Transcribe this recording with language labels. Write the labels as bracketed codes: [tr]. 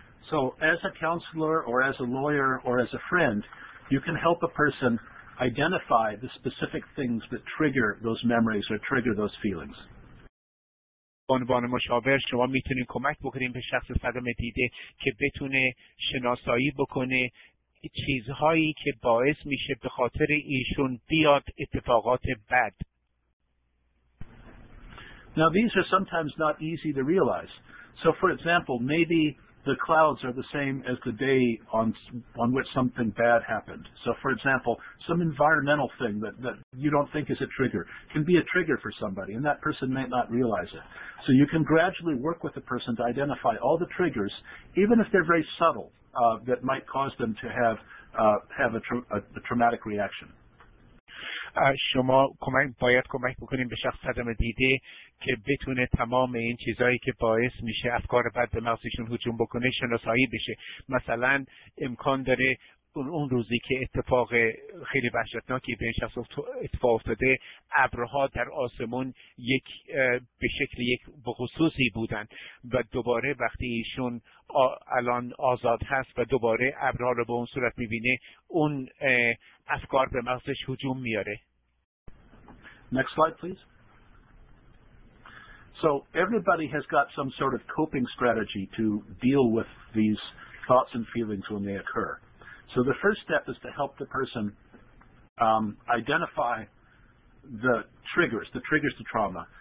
[en] So as a counselor or as a lawyer or as a friend, you can help a person identify the specific things that trigger those memories or trigger those feelings. [fa] عنوان مشاور شما میتونید کمک بکنید به شخص صدمه دیده که بتونه شناسایی بکنه چیزهایی که باعث میشه به خاطر ایشون بیاد اتفاقات بد. [en] Now these are sometimes not easy to realize. So for example, maybe the clouds are the same as the day on which something bad happened. So, for example, some environmental thing that you don't think is a trigger can be a trigger for somebody, and that person may not realize it. So you can gradually work with the person to identify all the triggers, even if they're very subtle, that might cause them to have a traumatic reaction. [fa] شما باید کمک بکنیم به شخص صدمه دیده که بتونه تمام این چیزایی که باعث میشه افکار بد به مغزشون هجوم بکنه شناسایی بشه. مثلا امکان داره اون روزی که اتفاق خیلی وحشتناکی به این شخص اتفاق افتاده ابرها در آسمون به شکل یک بخصوصی بودن و دوباره وقتی ایشون الان آزاد هست و دوباره ابرها رو به اون صورت میبینه اون افکار به مغزش هجوم میاره. [en] Next slide, please. So everybody has got some sort of coping strategy to deal with these thoughts and feelings when they occur. So the first step is to help the person identify the triggers to trauma.